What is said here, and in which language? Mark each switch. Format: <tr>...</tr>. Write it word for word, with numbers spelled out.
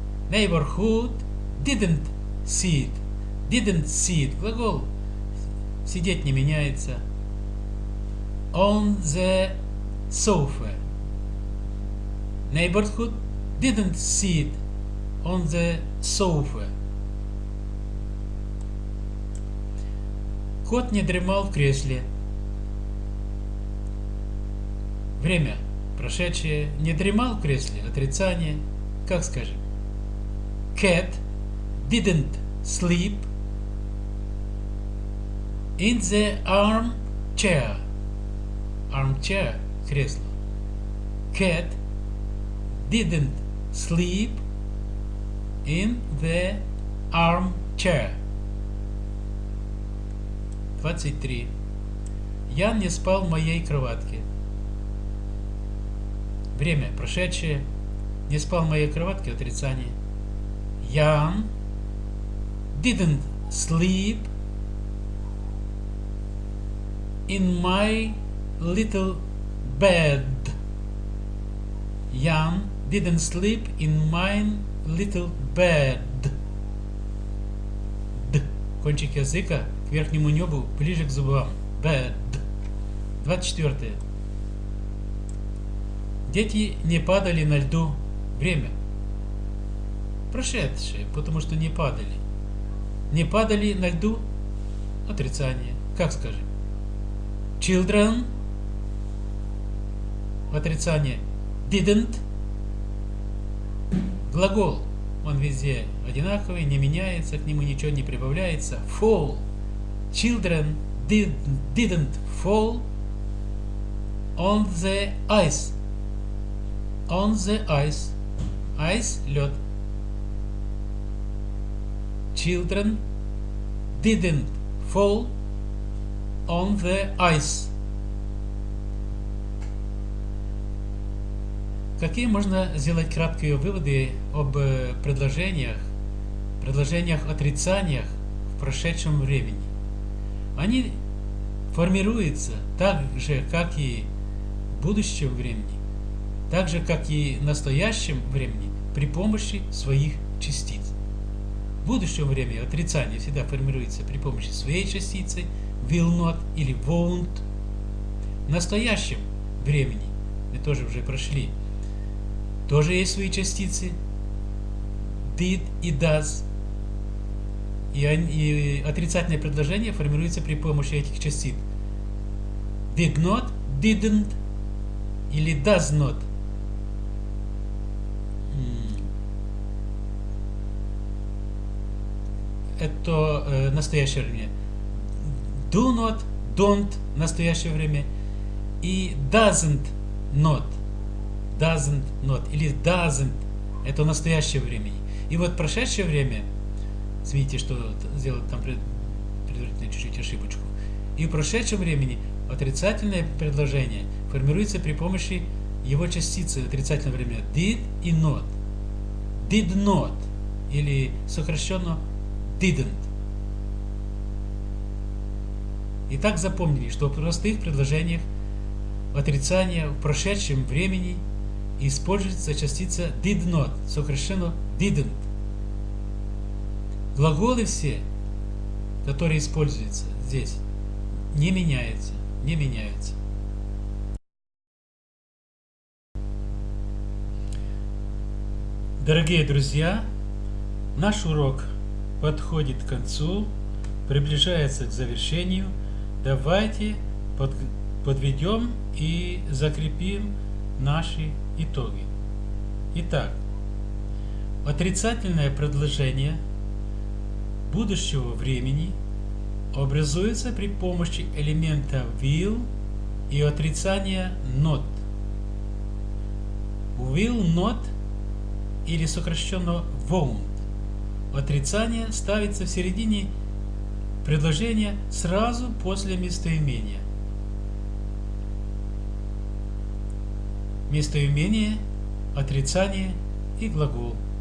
<en>Neighborhood didn't sit. Didn't sit.</en> <ru>Глагол сидеть не меняется.</ru> <en>On the sofa. Neighborhood didn't sit on the sofa.</en> <ru>Кот не дремал в кресле. Время прошедшее. Не дремал в кресле. Отрицание. Как скажем?</ru> <en>Cat didn't sleep in the armchair. Armchair. Кресло. Cat didn't sleep in the armchair.</en> <ru>двадцать три. Ян не спал в моей кроватке. Время прошедшее. Не спал в моей кроватке. Отрицание.</ru> <en>Ян didn't sleep in my little bed. Ян didn't sleep in my little bed. Д.</en> <ru>Кончик языка к верхнему небу, ближе к зубам. Bed. двадцать четыре. Дети не падали на льду. Время прошедшее, потому что не падали. Не падали на льду. Отрицание. Как скажем? Children. Отрицание. Didn't. Глагол, он везде одинаковый, не меняется, к нему ничего не прибавляется.</ru> <en>Fall. Children did, didn't fall on the ice. On the ice. Ice – лед. Children didn't fall on the ice.</en> <ru>Какие можно сделать краткие выводы об предложениях, предложениях-отрицаниях в прошедшем времени? Они формируются так же, как и в будущем времени, так же, как и в настоящем времени при помощи своих частиц. В будущем времени отрицание всегда формируется при помощи своей частицы</ru> <en>will not</en> <ru>или</ru> <en>won't.</en> <ru>В настоящем времени мы тоже уже прошли. Тоже есть свои частицы did и does. И, и отрицательное предложение формируется при помощи этих частиц.</ru> <en>Did not, didn't или does not.</en> <ru>Это э, настоящее время.</ru> <en>Do not, don't</en> <ru>в настоящее время.</ru> <en>И doesn't not. Doesn't not или doesn't</en> <ru>– это настоящее время. И вот прошедшее время, видите, что сделать там предварительно чуть-чуть ошибочку. И в прошедшем времени отрицательное предложение формируется при помощи его частицы отрицательного времени</ru> <en>did и not. Did not</en> <ru>или сокращенно</ru> <en>didn't.</en> <ru>Итак, запомнили, что в простых предложениях отрицания в прошедшем времени используется частица</ru> <en>did not,</en> <ru>сокращенно</ru> <en>didn't.</en> <ru>Глаголы все, которые используются здесь, не меняются, не меняются. Дорогие друзья, наш урок подходит к концу, приближается к завершению. Давайте под, подведем и закрепим наши итоги. Итак, отрицательное предложение будущего времени образуется при помощи элемента will и отрицания not.</ru> <en>Will not</en> <ru>или сокращенно</ru> <en>won't.</en> <ru>Отрицание ставится в середине предложения сразу после местоимения. Местоимение, отрицание и глагол.</ru>